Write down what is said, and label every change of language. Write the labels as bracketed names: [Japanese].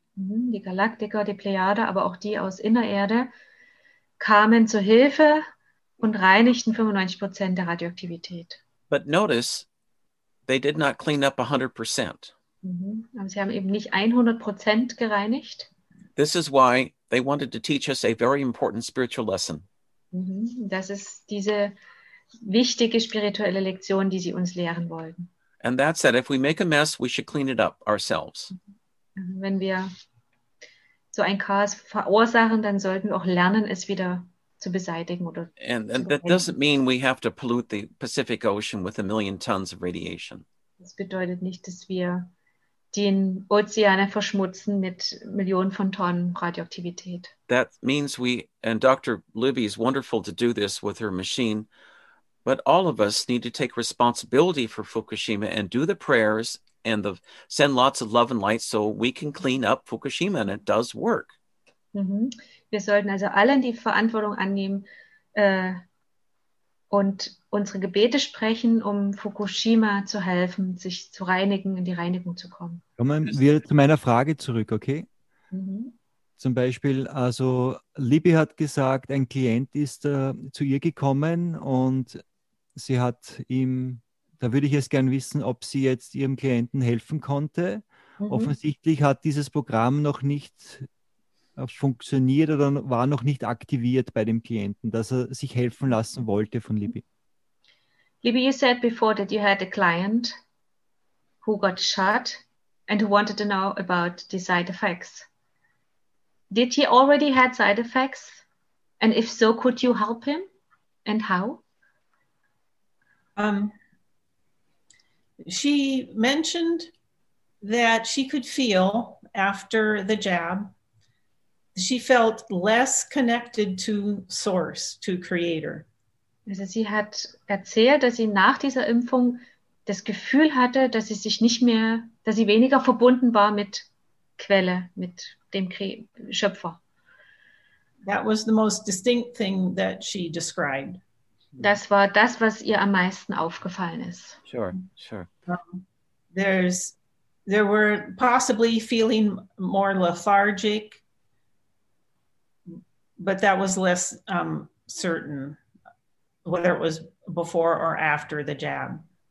[German] Die Galaktiker, die Plejade, aber auch die aus Innererde kamen zur Hilfe und reinigten 95% der Radioaktivität. [English] But notice, they did not clean up 100%. [German] Mm-hmm. Aber sie haben eben nicht 100% gereinigt. [English] This is why they wanted to teach us a very important spiritual lesson. Mm-hmm. [German] Das ist diese wichtige spirituelle Lektion, die sie uns lehren wollten. [English] And that's that if we make a mess, we should clean it up ourselves. [German] Wenn wir so ein Chaos verursachen, dann sollten wir auch lernen, es wieder zu beseitigen. Oder [English] and that doesn't mean we have to pollute the Pacific Ocean with 1 million tons of radiation. [German] Das bedeutet nicht, dass wir den Ozean verschmutzen mit Millionen von Tonnen Radioaktivität. [English] That means we, and Dr. Libby is wonderful to do this with her machine, but all of us need to take responsibility for Fukushima and do the prayers and the send lots of love and light so we can clean up Fukushima, and it does work. Mm-hmm. [German] Wir sollten also allen die Verantwortung annehmen und unsere Gebete sprechen, um Fukushima zu helfen, sich zu reinigen, in die Reinigung zu kommen. Kommen wir zu meiner Frage zurück, okay? Mm-hmm. Zum Beispiel, also Libby hat gesagt, ein Klient ist zu ihr gekommen und sie hat ihm... Da würde ich jetzt gerne wissen, ob sie jetzt ihrem Klienten helfen konnte. Mhm. Offensichtlich hat dieses Programm noch nicht funktioniert oder war noch nicht aktiviert bei dem Klienten, dass er sich helfen lassen wollte von Libby. [English] Libby, you said before that you had a client who got shot and who wanted to know about the side effects. Did he already had side effects? And if so, could you help him? And how? She mentioned that she could feel after the jab, she felt less connected to source, to creator. [German] Also sie hat erzählt, dass sie nach dieser Impfung das Gefühl hatte, dass sie sich nicht mehr, dass sie weniger verbunden war mit Quelle, mit dem Schöpfer. [English] That was the most distinct thing that she described. [German] Das war das, was ihr am meisten aufgefallen ist. [English] Sure, sure. There were possibly feeling more lethargic, but that was less certain, whether it was before or after the jab.